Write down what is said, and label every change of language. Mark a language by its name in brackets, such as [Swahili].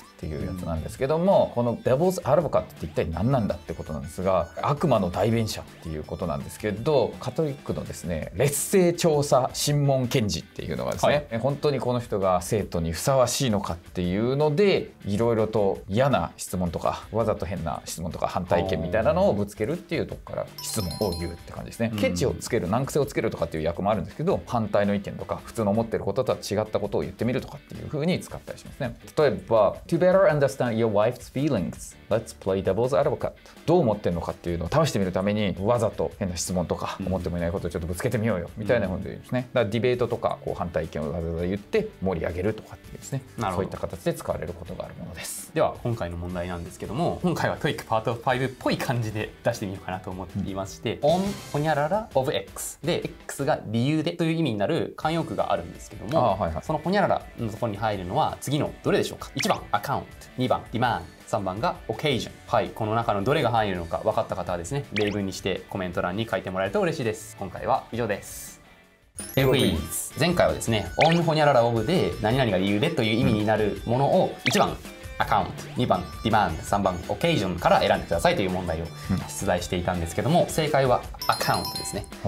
[Japanese] ていうやつなんですけども、うん、このデボスアルボカって一体何なんだってことなんですが、悪魔の代弁者っていうことなんですけど、カトリックのですね、劣勢調査審問検事っていうのがですね、はい、本当にこの人が生徒にふさわしいのかっていうので、いろいろと嫌な質問とかわざと変な質問とか反対意見みたいなのをぶつけるっていうとこから質問を言うって感じですね、うん、ケチをつける、難癖をつけるとかっていう役もあるんですけど、反対の意見とか普通の思ってることとは違ったことを言ってみるとかっていう風に使ったりしますね。 [English] 例えば To better understand your wife's feelings, let's play devil's advocate. [Japanese] どう思ってるのかっていうのを試してみるために、わざと変な質問とか思ってもいないことをちょっとぶつけてみようよみたいな本で言うんですね。だからディベートとかこう反対意見をわざわざ言って盛り上げるとかっていうですね、そういった形で使われることがあるものです。では今回の問題なんですけども、今回はトイックパート5っぽい感じで出してみようかなと思っていまして、うん、on ほにゃらら of x で、 x が理由でという意味になる慣用句があるんですけども、はいはい、そのほにゃららのところに入るのは次のどれでしょうか。 1番 account、 2番 demand、 3番が occasion。はい、この中のどれが入るのか分かった方はですね、例文にしてコメント欄に書いてもらえると嬉しいです。今回は以上です。 Everybody's. 前回はですね、 on ほにゃららオブで何々が理由でという意味になるものを、1番アカウント、2番ディマンド、3番オケージョンから選んでくださいという問題を出題していたんですけども、正解はアカウントですね。